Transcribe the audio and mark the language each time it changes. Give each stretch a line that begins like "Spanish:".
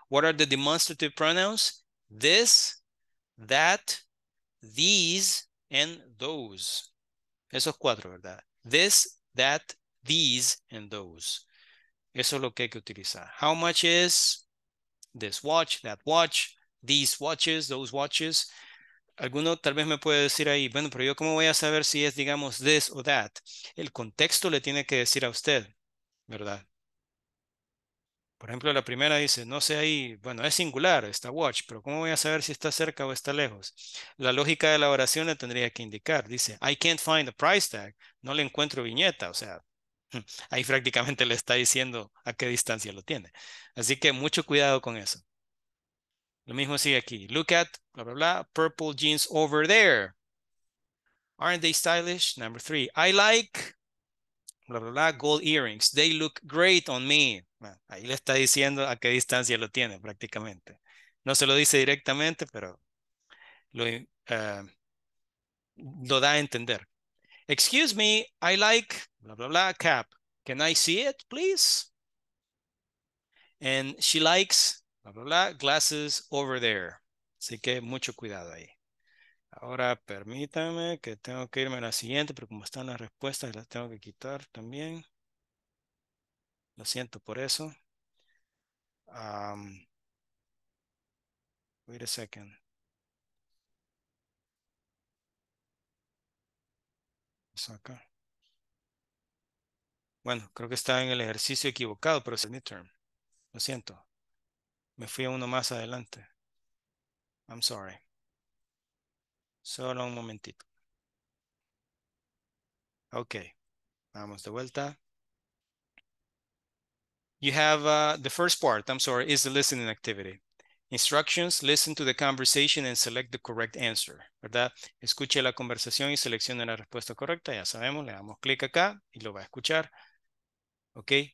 English: What are the demonstrative pronouns? This, that, these, and those.
Spanish: Esos cuatro, ¿verdad?
English: This, that, these, and those.
Spanish: Eso es lo que hay que utilizar.
English: How much is this watch, that watch, these watches, those watches?
Spanish: alguno tal vez me puede decir ahí, bueno, pero yo cómo voy a saber si es, digamos, this o that. El contexto le tiene que decir a usted, ¿verdad? Por ejemplo, la primera dice, no sé ahí, bueno, es singular, está watch, pero ¿cómo voy a saber si está cerca o está lejos? La lógica de la oración le tendría que indicar. Dice,
English: I can't find the price tag,
Spanish: no le encuentro viñeta, o sea, ahí prácticamente le está diciendo a qué distancia lo tiene. Así que mucho cuidado con eso. Lo mismo sigue aquí.
English: Look at, bla, bla, bla, purple jeans over there. Aren't they stylish? Number three. I like, bla, bla, bla, gold earrings. They look great on me.
Spanish: Bueno, ahí le está diciendo a qué distancia lo tiene prácticamente. No se lo dice directamente, pero lo da a entender.
English: Excuse me, I like, bla, bla, bla, cap. Can I see it, please? And she likes, bla, bla, bla, glasses over there.
Spanish: Así que mucho cuidado ahí. Ahora permítanme que tengo que irme a la siguiente, pero como están las respuestas, las tengo que quitar también. Lo siento por eso.
English: Wait a second.
Spanish: Acá. Bueno, creo que estaba en el ejercicio equivocado, pero es el midterm. Lo siento. Me fui a uno más adelante.
English: I'm sorry.
Spanish: Solo un momentito. Ok. Vamos de vuelta.
English: You have the first part, I'm sorry, is the listening activity. Instructions, listen to the conversation and select the correct answer, ¿verdad?
Spanish: Escuche la conversación y seleccione la respuesta correcta, ya sabemos, le damos clic acá y lo va a escuchar, ¿ok?